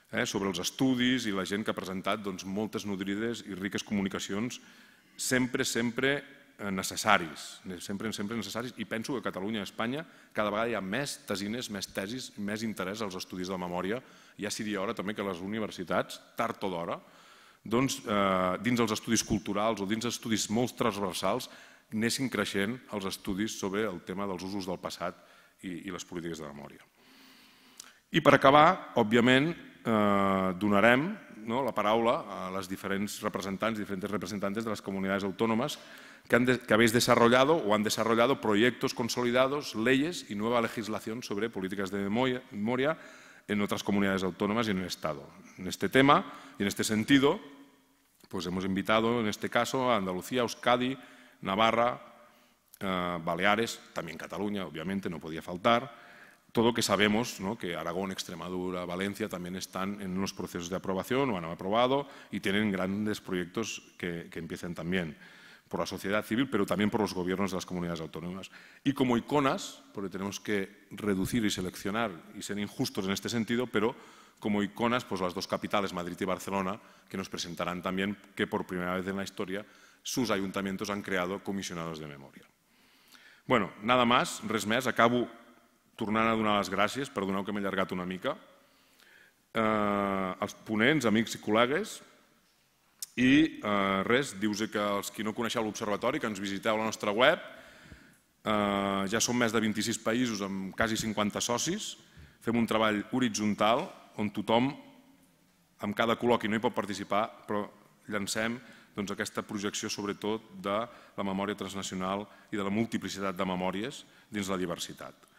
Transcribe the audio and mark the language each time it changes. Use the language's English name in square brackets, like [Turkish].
[Catalan] sobre els estudis i la gent que ha presentat doncs, moltes nodrides i riques comunicacions, sempre necessaris, sempre necessaris, i penso que a Catalunya i Espanya cada vegada hi ha més tesines, més tesis, més interès als estudis de memòria, ja sigui hora també que les universitats, tard o d'hora, doncs, dins els estudis culturals o dins estudis molt transversals, anessin creixent els estudis sobre el tema dels usos del passat i les polítiques de memòria. I per acabar, òbviament, donarem no, la paraula a les diferents representants, [Spanish] diferents representantes de les comunitats autònomes que habéis desarrollado o han desarrollado proyectos consolidados, leyes y nueva legislación sobre políticas de memoria en otras comunidades autónomas y en el Estado. En este tema y en este sentido, pues hemos invitado en este caso a Andalucía, Euskadi, Navarra, Baleares, también Cataluña, obviamente, no podía faltar. Todo que sabemos, ¿no? Que Aragón, Extremadura, Valencia también están en los procesos de aprobación o han aprobado y tienen grandes proyectos que empiecen también. Por la sociedad civil, pero también por los gobiernos de las comunidades autónomas. Y como iconas, porque tenemos que reducir y seleccionar y ser injustos en este sentido, pero como iconas, pues las dos capitales, Madrid y Barcelona, que nos presentarán también que por primera vez en la historia sus ayuntamientos han creado comisionados de memoria. Bueno, nada más, [Catalan] res més, acabo tornant a donar les gràcies, perdoneu que m'he allargat una mica, als ponents, amics i col·legues, i res, dius que els que no coneixeu l'Observatori, que ens visiteu a la nostra web, ja som més de 26 països amb quasi 50 socis, fem un treball horitzontal on tothom, amb cada col·loqui no hi pot participar, però llancem doncs, aquesta projecció sobretot de la memòria transnacional i de la multiplicitat de memòries dins la diversitat.